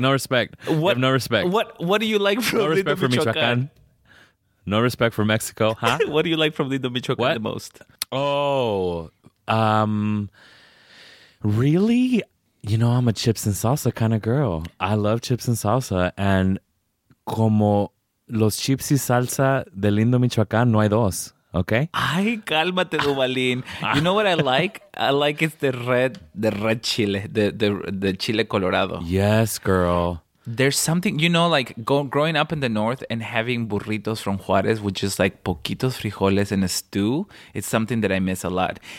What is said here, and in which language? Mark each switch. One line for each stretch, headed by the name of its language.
English: No respect. What? I have no respect. What do you like from Lindo Michoacán? No respect for Michoacán. No respect for Mexico, huh? What do you like from Lindo Michoacán the most? Oh, really? You know, I'm a chips and salsa kind of girl. I love chips and salsa.
Spanish: And como los chips y salsa de Lindo Michoacán, no hay dos, okay? Ay, cálmate,
English: Duvalín. You know what I like? I like it's the red chile, the chile colorado. Yes, girl. There's something, you know, like growing up in the north and having burritos from Juarez, which is like
Spanish: poquitos frijoles
English: and a stew. It's something that I miss a lot.